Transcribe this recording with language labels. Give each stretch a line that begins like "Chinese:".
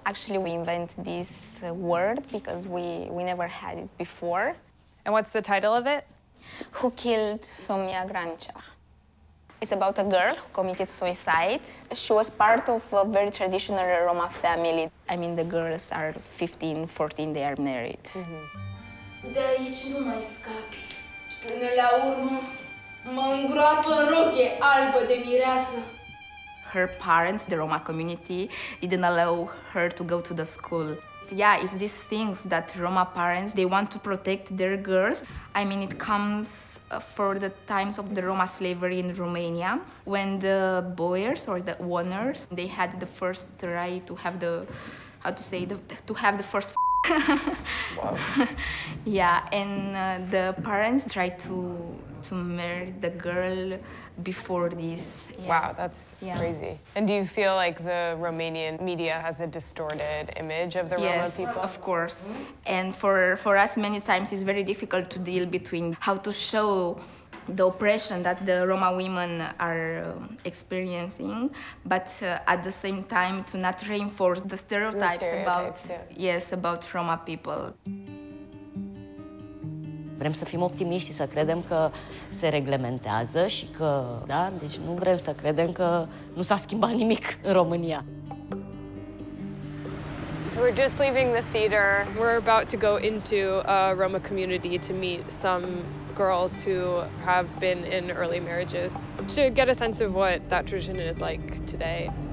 English: Actually, we invented this word because we never had it before. And what's the title of it? Who Killed Somia Grancea. It's about a girl who committed suicide. She was part of a very traditional Roma family. I mean, the girls are 15, 14, they are married.
Romanian: De aici nu mai scapi. Până la urmă, mă îngroapă în roche albă de mireasă.
English: Her parents, the Roma community, didn't allow her to go to the school. Yeah, it's these things that Roma parents, they want to protect their girls. I mean, it comes for the times of the Roma slavery in Romania, when the boyars or the owners, they had the first right to have the, first Wow. Yeah, and the parents tried to marry the girl before this. Yeah. Wow, that's crazy. And do you feel like the Romanian media has a distorted image of the yes, Roma people? Yes, of course. And for us, many times, it's very difficult to deal between how to show the oppression that the Roma women are experiencing, but at the same time to not reinforce the stereotypes about Roma people.
Romanian: Vrem să fim optimiști și să credem că se reglementează și că, da, deci nu vrem să credem că nu s-a schimbat nimic în România.
English: So we're just leaving the theater. We're about to go into a Roma community to meet some girls who have been in early marriages to get a sense of what that tradition is like today.